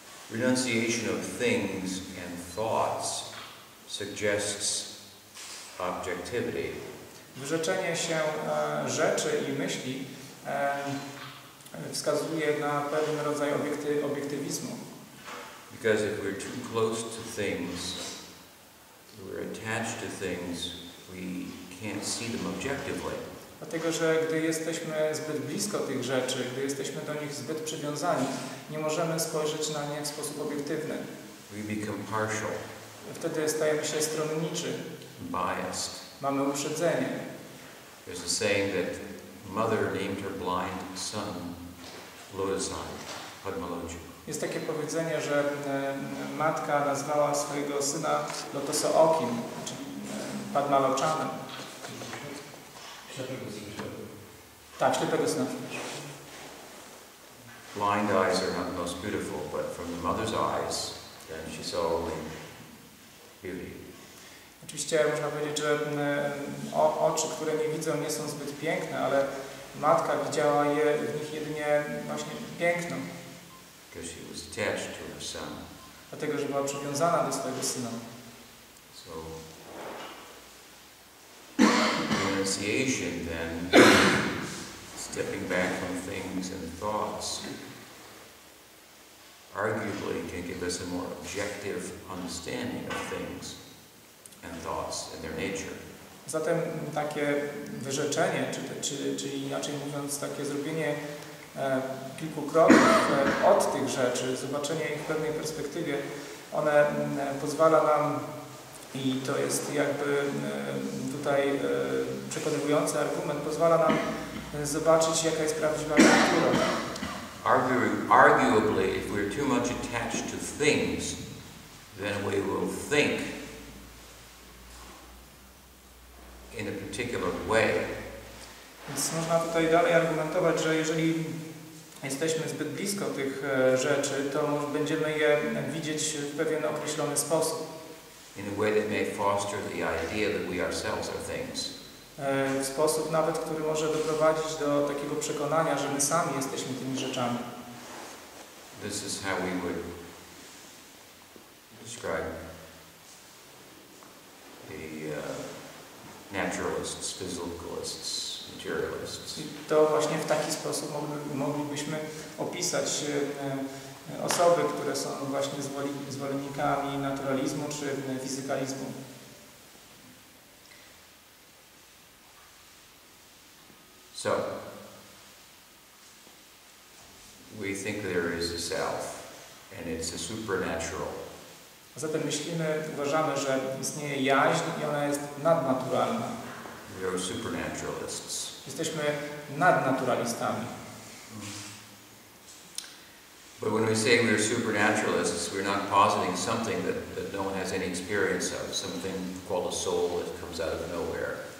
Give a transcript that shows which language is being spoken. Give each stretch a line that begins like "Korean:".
English: Renunciation of things and thoughts suggests objectivity.
Polish: Wyrzeczenie się rzeczy i myśli wskazuje na pewien rodzaj obiektywizmu.
English: Because if we're too close to things, if we're attached to things, we can't see them objectively.
Polish: Dlatego, że gdy jesteśmy zbyt blisko tych rzeczy, gdy jesteśmy do nich zbyt przywiązani, nie możemy spojrzeć na nie w sposób obiektywny.
English: We become partial.
Polish: Wtedy stajemy się stronniczy.
English: Biased.
Polish: Mamy uprzedzenie.
English: There's a saying that mother named her blind son Lotusai Padmaloju.
Polish: Jest takie powiedzenie, że matka nazwała swojego syna Lotosookim, czyli Padmaloczanem. Ślepego syna. Tak, ślepego syna.
English: Blind eyes are not most beautiful, but from the mother's eyes, then she saw only beauty.
Polish: Oczywiście można powiedzieć, że oczy, które nie widzą, nie są zbyt piękne, ale matka widziała je w nich jedynie właśnie piękną.
English: Because she was attached to her son.
Polish: Dlatego, że była przywiązana do swojego syna.
English: So, renunciation then, stepping back from things and thoughts, arguably can give us a more objective understanding of things. And thoughts and their nature.
Polish: Zatem takie wyrzeczenie, czy inaczej mówiąc, takie zrobienie kilku kroków od tych rzeczy, zobaczenie ich w pewnej perspektywie, one pozwala nam, i to jest jakby tutaj przekonywujący argument, pozwala nam zobaczyć, jaka jest prawdziwa natura.
English: Arguably, if we're too much attached to things, then we will think in a particular way.
Polish: Więc można tutaj dalej argumentować, że jeżeli jesteśmy zbyt blisko tych rzeczy, to będziemy je widzieć w pewien określony sposób.
English: In a way that may foster the idea that we ourselves are things.
Polish: w sposób nawet, który może doprowadzić do takiego przekonania, że my sami jesteśmy tymi rzeczami.
English: This is how we would describe the naturalists, physicalists, materialists.
Polish: I to właśnie w taki sposób moglibyśmy opisać osoby, które są właśnie zwolennikami naturalizmu czy fizykalizmu.
English: So, we think there is a self, and it's a supernatural.
Polish: Zatem myślimy, uważamy, że istnieje jaźń i ona jest nadnaturalna.
English: We are supernaturalists.
Polish: Jesteśmy nadnaturalistami.
English: But when we say we are supernaturalists, we're not positing something that no one has any experience of, something called a soul that comes out of nowhere.